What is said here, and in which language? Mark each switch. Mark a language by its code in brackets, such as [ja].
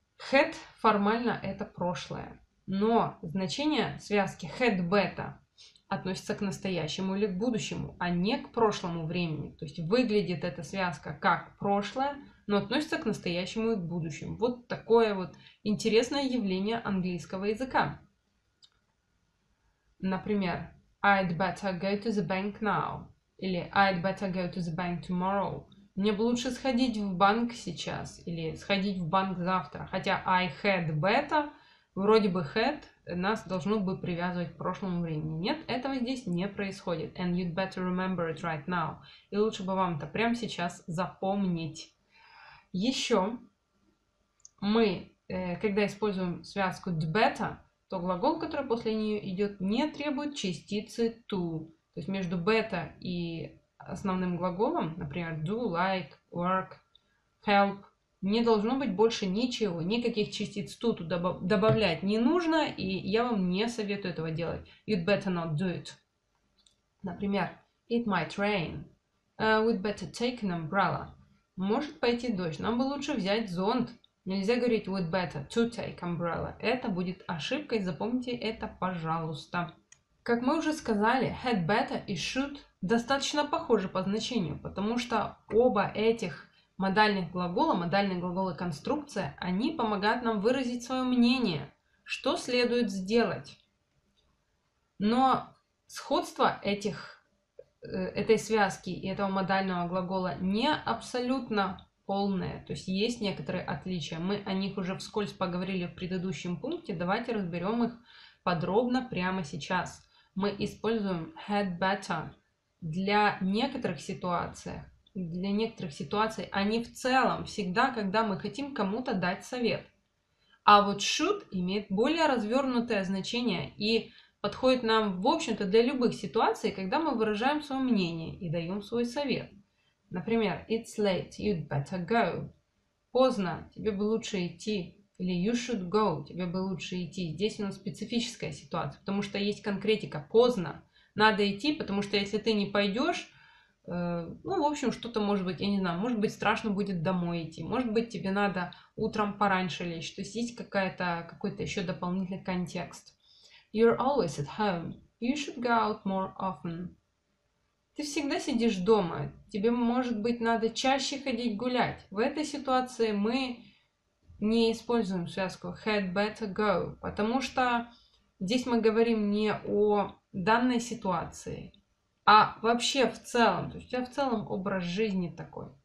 [ru] Had формально это прошлое. Но значение связки had better относится к настоящему или к будущему, а не к прошлому времени. То есть выглядит эта связка как прошлое, но относится к настоящему и к будущему. Вот такое вот интересное явление английского языка. Например, [en] I'd better go to the bank now. [ru] Или [en] I'd better go to the bank tomorrow. [ru] Мне бы лучше сходить в банк сейчас. Или сходить в банк завтра. Хотя [en] I had better, [ru] вроде бы had, нас должно бы привязывать к прошлому времени. Нет, этого здесь не происходит. [en] And you'd better remember it right now. [ru] И лучше бы вам это прямо сейчас запомнить. Еще мы, когда используем связку better, то глагол, который после нее идет, не требует частицы to. То есть между better и основным глаголом, например, do, like, work, help, не должно быть больше ничего, никаких частиц to тут добавлять не нужно, и я вам не советую этого делать. [en] You'd better not do it. [ru] Например, [en] it might rain. We'd better take an umbrella. [ru] Может пойти дождь, нам бы лучше взять зонт. Нельзя говорить [en] we'd better to take umbrella. [ru] Это будет ошибкой, запомните это, пожалуйста. Как мы уже сказали, had better и should достаточно похожи по значению, потому что оба этих модальных глагола, модальные глаголы конструкция, они помогают нам выразить свое мнение, что следует сделать. Но сходство этих, этой связки и этого модального глагола не абсолютно полное. То есть есть некоторые отличия. Мы о них уже вскользь поговорили в предыдущем пункте. Давайте разберем их подробно прямо сейчас. Мы используем had better для некоторых ситуаций. Для некоторых ситуаций, а не в целом, всегда, когда мы хотим кому-то дать совет. А вот should имеет более развернутое значение и подходит нам, в общем-то, для любых ситуаций, когда мы выражаем свое мнение и даем свой совет. Например, [en] it's late, you'd better go. [ru] Поздно, тебе бы лучше идти. Или [en] you should go, [ru] тебе бы лучше идти. Здесь у нас специфическая ситуация, потому что есть конкретика. Поздно, надо идти, потому что если ты не пойдешь, ну, в общем, что-то может быть, я не знаю, может быть, страшно будет домой идти, может быть, тебе надо утром пораньше лечь, то есть есть какой-то еще дополнительный контекст. [en] You're always at home. You should go out more often. [ru] Ты всегда сидишь дома, тебе, может быть, надо чаще ходить гулять. В этой ситуации мы не используем связку [en] had better go, [ru] потому что здесь мы говорим не о данной ситуации, а вообще в целом, то есть у тебя в целом образ жизни такой.